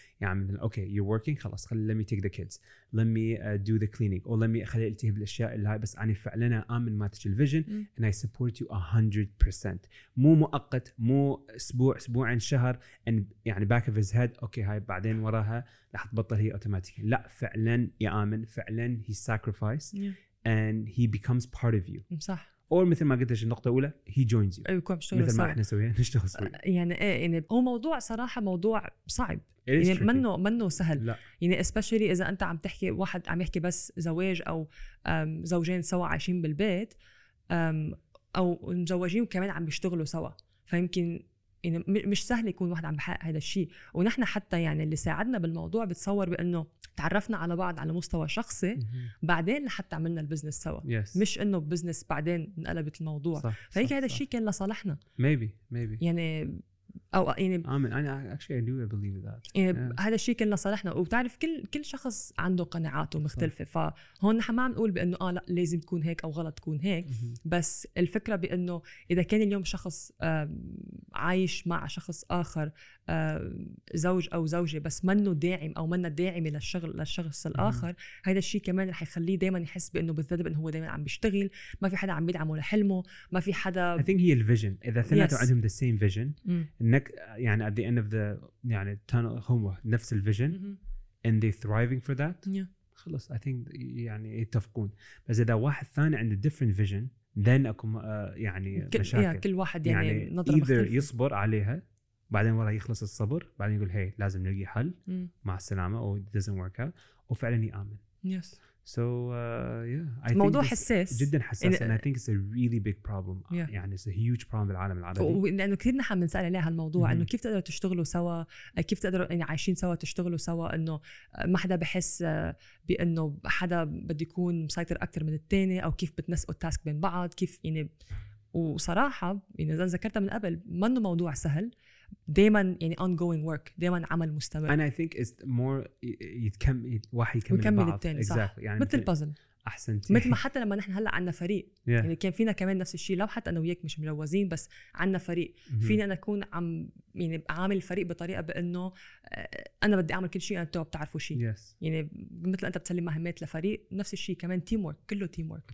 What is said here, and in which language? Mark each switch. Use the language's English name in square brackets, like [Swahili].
[Arabic] يعني اوكي يو وركينج خلاص خلي [English] let me take the kids let me [Arabic] do the cleaning or let me خلي التهي بالاشياء اللي هاي، بس انا فعلا امن مالتك الفيجن [English] and I support you 100%. [Arabic] مو مؤقت، مو اسبوع اسبوعين شهر and يعني [English] back of his head [Arabic] اوكي هاي بعدين وراها راح تبطل هي اوتوماتيك. لا فعلا يامن، فعلا [English] he sacrifice and he becomes part of you. [Arabic] صح. أو مثل ما قلت لك النقطة الأولى [English] he joins you. [Arabic] أيوة كم مثل ما إحنا سويا نشتغل سويا. يعني إيه يعني هو موضوع صراحة موضوع صعب. يعني منه سهل. لا. يعني especially إذا أنت عم تحكي واحد عم يحكي بس زواج أو زوجين سوا عايشين بالبيت أو مزوجين وكمان عم بيشتغلوا سوا، فيمكن يعني مش سهل يكون واحد عم بحقق هذا الشيء. ونحن حتى يعني اللي ساعدنا بالموضوع بتصور بأنه تعرفنا على بعض على مستوى شخصي بعدين لحتى عملنا البزنس سوا، مش انه بزنس بعدين انقلبت الموضوع. فهيك هذا الشيء كان لصالحنا. [English] maybe [Arabic] يعني او يعني [English] I actually believe that [Arabic] هذا الشيء كان لصالحنا. وبتعرف كل شخص عنده قناعاته مختلفه، فهون نحن ما عم نقول بانه لا لازم تكون هيك او غلط تكون هيك. بس الفكره بانه اذا كان اليوم شخص عايش مع شخص اخر، زوج او زوجه، بس منه داعم او منه داعمه للشغل للشخص الاخر، هذا الشيء كمان رح يخليه دائما يحس بانه بالذنب، انه هو دائما عم بيشتغل، ما في حدا عم يدعمه لحلمه، ما في حدا. [English] I think [Arabic] هي الفيجن، اذا اثنيناتهم عندهم [English] the same vision [Arabic] انك يعني [English] at the end of the يعني tunnel [Arabic] هم نفس الفيجن [English] and they thriving for that [Arabic] خلص [English] I think [Arabic] يعني يتفقون. بس اذا واحد ثاني عنده [English] different vision then [Arabic] اكون يعني مشاكل. كل واحد يعني نظره either مختلفة. يصبر عليها بعدين ورا يخلص الصبر بعدين يقول هي لازم نلقي حل مع السلامة أو [English] it doesn't work out [Arabic] وفعلا يأمن. [English] yes so yeah [Arabic] موضوع حساس جدا حساس [English] and I think it's a really big problem يعني it's a huge problem [Arabic] بالعالم العربي. لأنه كثير نحن بنسأل عليها الموضوع إنه كيف تقدروا تشتغلوا سوا، كيف تقدروا يعني عايشين سوا تشتغلوا سوا، إنه ما حدا بحس بأنه حدا بده يكون مسيطر أكثر من التاني، أو كيف بتنسقوا التاسك بين بعض كيف يعني. وصراحة يعني إذا ذكرتها من قبل منه موضوع سهل، دائما يعني [English] ongoing work، [Arabic] دائما عمل مستمر. [English] and I think it's more [Arabic] يتكمل واحد يكمل الثاني. exactly. يعني مثل البازل. أحسنت. مثل ما حتى لما نحن هلا عنا فريق. يعني كان فينا كمان نفس الشيء لو حتى أنا وياك مش مجوزين، بس عنا فريق. فينا نكون عم يعني عامل الفريق بطريقة بأنه أنا بدي أعمل كل شيء أنت بتعرفوا شيء. [English] yes. [Arabic] يعني مثل أنت بتسلم مهمات لفريق نفس الشيء كمان teamwork، كله teamwork.